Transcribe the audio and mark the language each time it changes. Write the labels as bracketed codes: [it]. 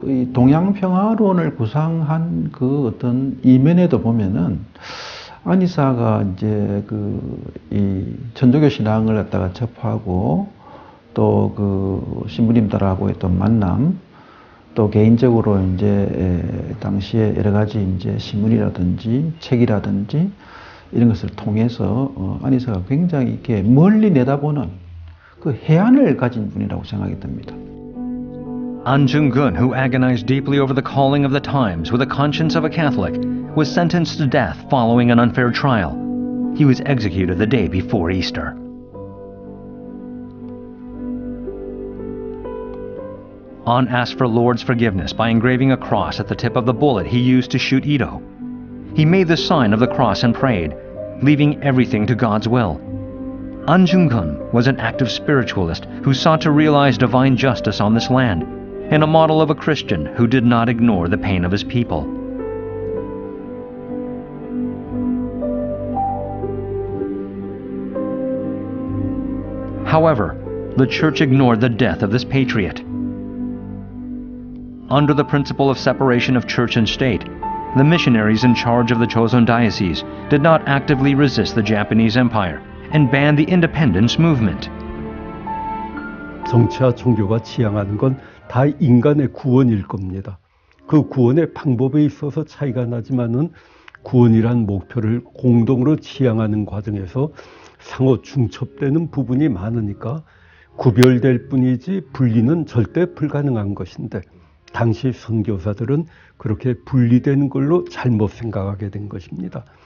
[ko] 이 동양 평화론을 구상한 그 어떤 이면에도 보면은 안이사가 이제 그 이 천주교 신앙을 갖다가 접하고 또 그 신부님들하고 했던 만남 또 개인적으로 이제 당시에 여러 가지 이제 신문이라든지 책이라든지 이런 것을 통해서 안이사가 굉장히 이렇게 멀리 내다보는 그 해안을 가진 분이라고 생각이 듭니다. [en] An Jung-kun, who agonized deeply over the calling of the times with a conscience of a Catholic, was sentenced to death following an unfair trial. He was executed the day before Easter. An asked for Lord's forgiveness by engraving a cross at the tip of the bullet he used to shoot Ito. He made the sign of the cross and prayed, leaving everything to God's will. Anjungkun was an active spiritualist who sought to realize divine justice on this land, and a model of a Christian who did not ignore the pain of his people. However, the church ignored the death of this patriot. Under the principle of separation of church and state, the missionaries in charge of the Joseon Diocese did not actively resist the Japanese Empire and banned the independence movement. [ko] 정치와 종교가 지향하는 건 다 인간의 구원일 겁니다. 그 구원의 방법에 있어서 차이가 나지만은 구원이란 목표를 공동으로 지향하는 과정에서 상호 중첩되는 부분이 많으니까 구별될 뿐이지 분리는 절대 불가능한 것인데 당시 선교사들은 그렇게 분리된 걸로 잘못 생각하게 된 것입니다.